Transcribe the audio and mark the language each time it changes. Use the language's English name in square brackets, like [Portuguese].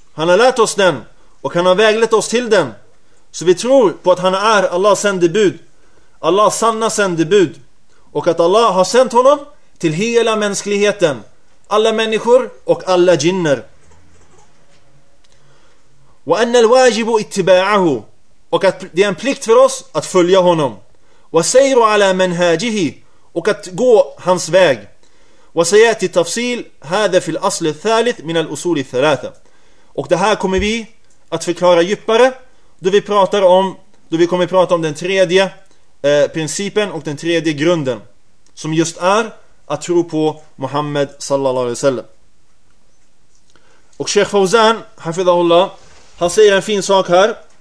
[Swedish] Han har lärt oss den och han har väglett oss till den. Så vi tror på att han är Allahs sändebud, Allahs sanna sändebud, och att Allah har sänt honom till hela mänskligheten, alla människor och alla jinner. Wa anna al-wajibu ittiba'ahu, och att det är en plikt för oss att följa honom. Wa sayru ala manhajihi, och att gå hans väg. [Arabic] وسياتي تفصيل هذا في الاصل الثالث من الاصول الثلاثه. [Swedish] Och det här kommer vi att förklara djupare då vi kommer prata om den tredje principen och den tredje grunden, som just är att tro på Muhammad sallallahu alaihi wasallam. Och Sheikh Fawzan hafizahullah, han säger en fin sak här.